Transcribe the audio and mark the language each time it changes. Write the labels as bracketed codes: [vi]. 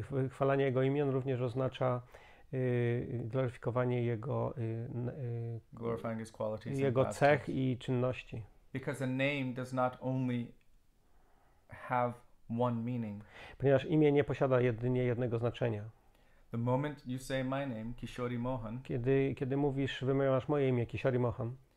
[pl] Chwalanie Jego imion również oznacza gloryfikowanie Jego, [en] Glorifying his qualities and [pl] Jego cech [en] pastimes. [pl] I czynności. [en] Because a name does not only have one meaning. [pl] Ponieważ imię nie posiada jedynie jednego znaczenia. [en] The moment you say my name, Kishori Mohan, [pl] kiedy mówisz, wymawiasz moje imię, Kishori Mohan,